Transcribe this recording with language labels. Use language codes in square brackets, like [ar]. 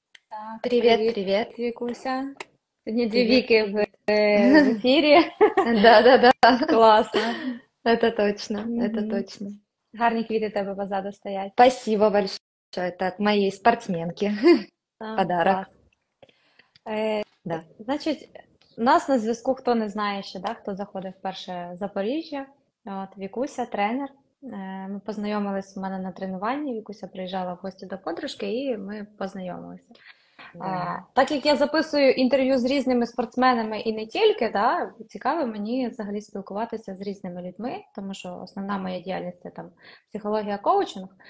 [uk] Так, привіт, привіт, Вікуся. Сьогодні дві Віки в ефірі. [ru] Да. [uk] Класно. [ru] Это точно, это точно. [uk] Гарні квіти тебе позаду стоять. [ru] Спасибо большое, [uk] так, моїй спортсменки. [ru] Подарок. Клас. Да. [uk] Значить, нас на зв'язку хто не знає ще, да, хто заходить вперше в Запоріжжя. От, Вікуся, тренер. Ми познайомились у мене на тренуванні, Вікуся приїжджала в гості до подружки, і ми познайомилися. Так як я записую інтерв'ю з різними спортсменами і не тільки, да, цікаво мені взагалі спілкуватися з різними людьми, тому що основна моя діяльність – це там психологія, коучинг.